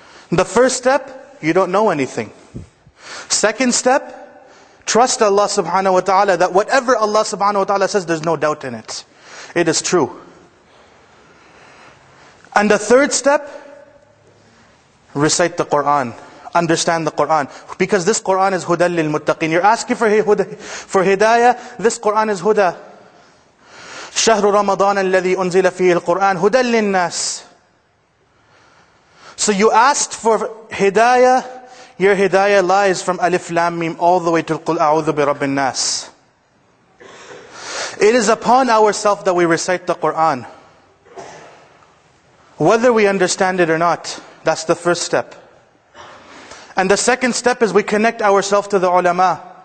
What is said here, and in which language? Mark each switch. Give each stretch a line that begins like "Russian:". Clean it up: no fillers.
English: The first step, you don't know anything. Second step, trust Allah subhanahu wa ta'ala that whatever Allah subhanahu wa ta'ala says, there's no doubt in it. It is true. And the third step, recite the Quran. Understand the Quran. Because this Quran is Huda lil Muttaqin. You're asking for Hidayah. This Quran is Huda.
Arabic: شهر رمضان الذي أنزل فيه القرآن هدى للناس.
English: So you asked for Hidayah. Your Hidayah lies from Alif Lam Mim all the way to
Arabic: قل أعوذ برب الناس.
English: It is upon ourselves that we recite the Quran. Whether we understand it or not, that's the first step. And the second step is we connect ourselves to the ulama.